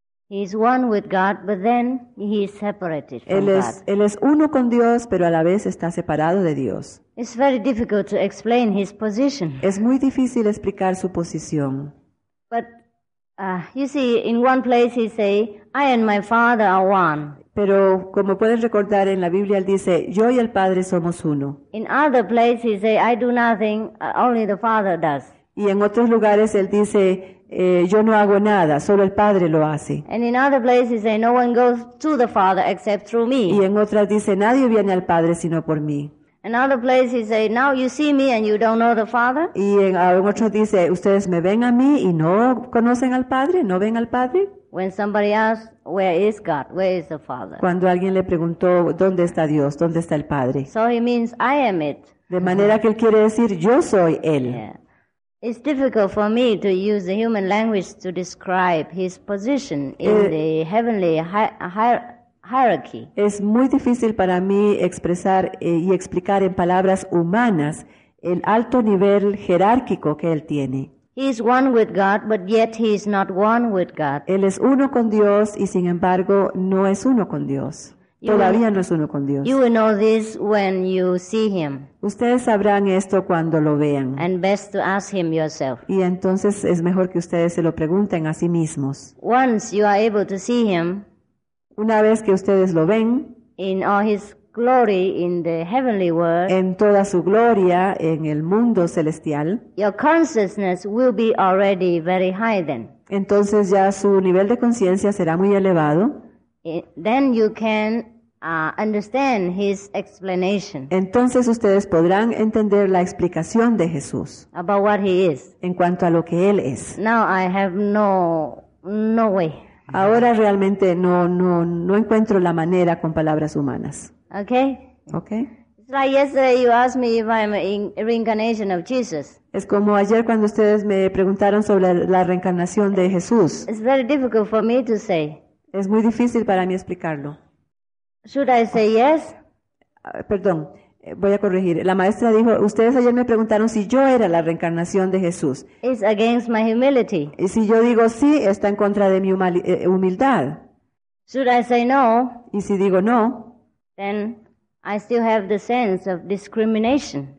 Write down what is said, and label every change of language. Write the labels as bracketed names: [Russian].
[English] He is one with God, but then he is separated from God. [Spanish] Él es uno con Dios, pero a la vez está separado de Dios. [English] It's very difficult to explain his position. [Spanish] Es muy difícil explicar su posición. [English] But you see, in one place he say, "I and my Father are one." [Spanish] Pero como pueden recordar en la Biblia, él dice, "Yo y el Padre somos uno." [English] In other places he say, "I do nothing; only the Father does." [Spanish] Y en otros lugares él dice. Yo no hago nada, solo el Padre lo hace. [English] And in other places say no one goes to the Father except through me. [Spanish] Y en otras dice nadie viene al Padre sino por mí. [English] In other places say now you see me and you don't know the Father. [Spanish] Y en otros dice ustedes me ven a mí y no conocen al Padre, no ven al Padre. [English] When somebody asked, where is God? Where is the Father? [Spanish] Cuando alguien le preguntó, ¿dónde está Dios? ¿Dónde está el Padre? [English] So he means, I am it. [Spanish] De manera que él quiere decir, yo soy él. [English] Yeah. It's difficult for me to use the human language to describe his position in the heavenly hierarchy. [Spanish] Es muy difícil para mí expresar y explicar en palabras humanas el alto nivel jerárquico que él tiene. He is one with God, but yet he is not one with God. Él es uno con Dios y sin embargo no es uno con Dios. Todavía no es uno con Dios. [English] You will know this when you see him. [Spanish] Ustedes sabrán esto cuando lo vean. [English] And best to ask him yourself. [Spanish] Y entonces es mejor que ustedes se lo pregunten a sí mismos. [English] Once you are able to see him, [Spanish] una vez que ustedes lo ven, [English] in all his glory in the heavenly world, [Spanish] en toda su gloria en el mundo celestial, [English] your consciousness will be already very high then. [Spanish] Entonces ya su nivel de conciencia será muy elevado. [English] Then you can understand his explanation. [Spanish] Entonces ustedes podrán entender la explicación de Jesús [English] about what he is. [Spanish] En cuanto a lo que él es. [English] Now I have no way. [Spanish] Ahora realmente no encuentro la manera con palabras humanas. [English] Okay. It's like yesterday you asked me if I'm a reincarnation of Jesus. [Spanish] Es como ayer cuando ustedes me preguntaron sobre la reencarnación de Jesús. [English] It's very difficult for me to say. [Spanish] Es muy difícil para mí explicarlo. [English] Should I say yes? [Spanish] Perdón, voy a corregir. La maestra dijo, ustedes ayer me preguntaron si yo era la reencarnación de Jesús. [English] It's against my humility. [Spanish] Y si yo digo sí, está en contra de mi humildad. [English] Should I say no? [Spanish] Y si digo no, [English] then I still have the sense of discrimination.